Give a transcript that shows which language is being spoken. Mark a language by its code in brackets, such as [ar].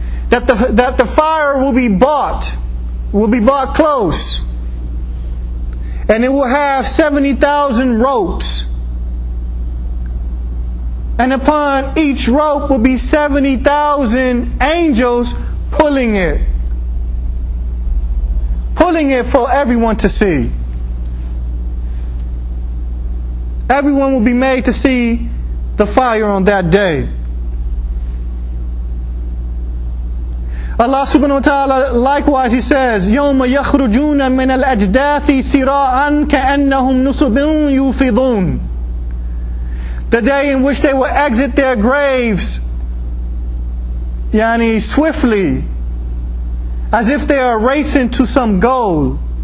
[en] That the fire will be brought close, and it will have 70,000 ropes, and upon each rope will be 70,000 angels pulling it for everyone to see. Everyone will be made to see the fire on that day. Allah subhanahu wa ta'ala, likewise, He says, [ar] يَوْمَ يَخْرُجُونَ مِنَ الْأَجْدَاثِ سِرَاعًا كَأَنَّهُمْ نُصُبٌ يُوفِضُونَ. [en] The day in which they will exit their graves, yani swiftly, as if they are racing to some goal.